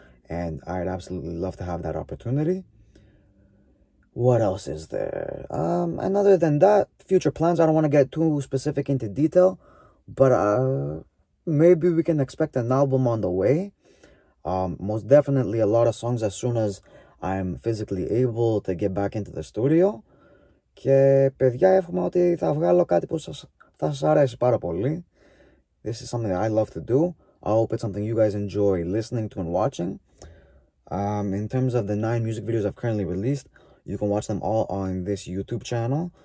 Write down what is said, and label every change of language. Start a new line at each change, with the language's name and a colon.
English: And I'd absolutely love to have that opportunity. What else is there? And other than that, future plans, I don't want to get too specific into detail, but maybe we can expect an album on the way. Most definitely a lot of songs as soon as I'm physically able to get back into the studio.
Greek: Και παιδιά, εύχομαι ότι θα βγάλω κάτι που θα σας αρέσει πάρα πολύ.
English: This is something that I love to do. I hope it's something you guys enjoy listening to and watching. In terms of the 9 music videos I've currently released, you can watch them all on this YouTube channel.